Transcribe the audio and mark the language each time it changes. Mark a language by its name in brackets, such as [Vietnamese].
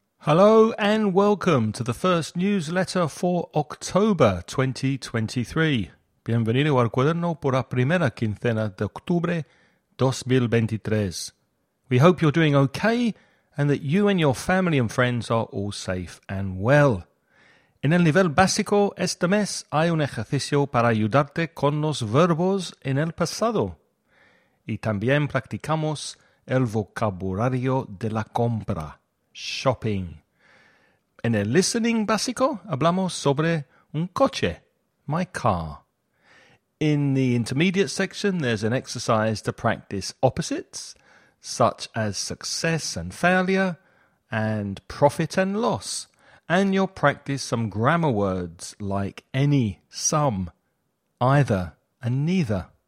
[English] Hello and welcome to the first newsletter for October 2023. [Spanish] Bienvenido al cuaderno por la primera quincena de octubre 2023. We hope you're doing okay and that you and your family and friends are all safe and well. En el nivel básico, este mes hay un ejercicio para ayudarte con los verbos en el pasado. Y también practicamos el vocabulario de la compra. Shopping. En el listening básico, hablamos sobre un coche, [English] my car. In the intermediate section, there's an exercise to practice opposites, such as success and failure, and profit and loss. And you'll practice some grammar words like any, some, either, and neither.